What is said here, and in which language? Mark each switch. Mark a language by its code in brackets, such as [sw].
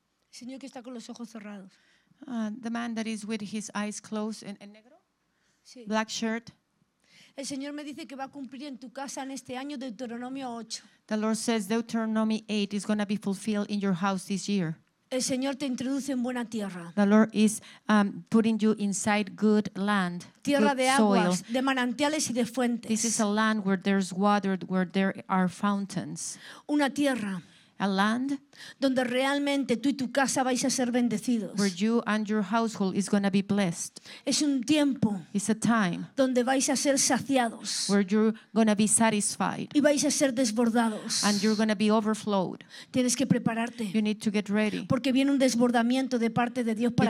[es] Señor que está con los ojos cerrados. [en] The man that is with his eyes closed in negro? [es] Sí. [en] Black shirt. [es] El Señor me dice que va a cumplir en tu casa en este año Deuteronomio 8. [en] The Lord says Deuteronomy 8 is going to be fulfilled in your house this year. [es] El Señor te introduce en buena tierra. [en] The Lord is putting you inside good land. [es] Tierra [en] good [es] de aguas, [en] soil. [es] De manantiales y de fuentes. [en] This is a land where there's water, where there are fountains. [es] Una tierra. [en] A land. [es] Donde realmente tú y tu casa vais a ser bendecidos. [en] Where you and your household is going to be blessed. [es] Es un tiempo. [en] It's a time. [es] Donde vais a ser saciados. [en] Where you're going to be satisfied. [es] Y vais a ser desbordados. [en] And you're going to be overflowed. [es] Tienes que prepararte. [en] You need to get ready. [es] Porque viene un desbordamiento de parte de Dios para